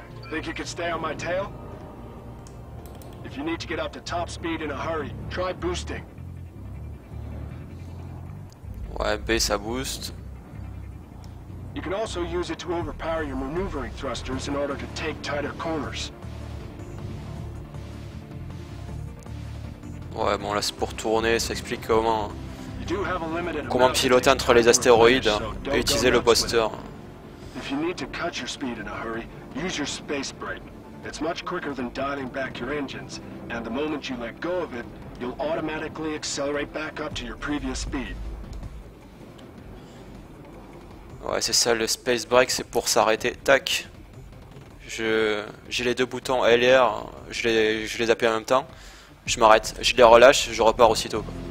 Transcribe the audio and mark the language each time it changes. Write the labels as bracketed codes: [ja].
[en] Think you could stay on my tail? If you need to get up to top speed in a hurry, try boosting. [fr] Ouais, B ça booste. [en] You can also use it to overpower your maneuvering thrusters in order to take tighter corners. [fr] Ouais, bon là c'est pour tourner, ça explique comment. Comment piloter entre les astéroïdes et utiliser le booster. [en] If you need to cut your speed in a hurry, use your space brake. It's much quicker than dialing back your engines, and the moment you let go of it, you'll automatically accelerate back up to your previous speed. [fr] Ouais, c'est ça, le space brake, c'est pour s'arrêter. Tac. J'ai les deux boutons L et R, je les appuie en même temps. Je m'arrête, je les relâche, je repars aussitôt.